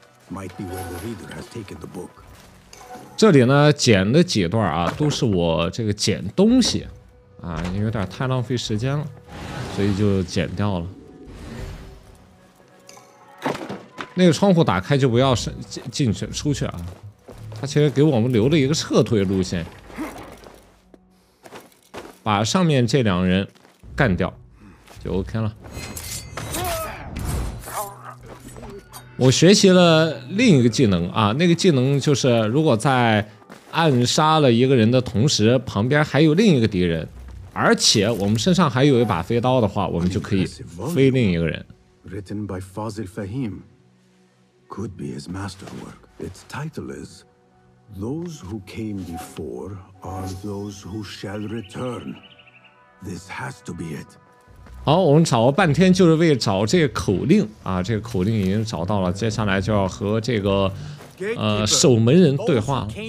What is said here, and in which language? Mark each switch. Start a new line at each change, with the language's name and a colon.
English: Might be where the reader has taken the book.
Chinese: 这里呢，剪的几段啊，都是我这个剪东西啊，有点太浪费时间了，所以就剪掉了。那个窗户打开就不要进去出去啊，他其实给我们留了一个撤退路线，把上面这两人干掉就 OK 了。我学习了另一个技能啊，那个技能就是如果在暗杀了一个人的同时，旁边还有另一个敌人，而且我们身上还有一把飞刀的话，我们就可以飞另一个人。
English: Written by Fazil Fahim, could be his masterwork. Its title is, "Those who came before are those who shall return." This has to be it.
Chinese: 好，我们找了半天就是为找这个口令啊，这个口令已经找到了，接下来就要和这个守门人对话。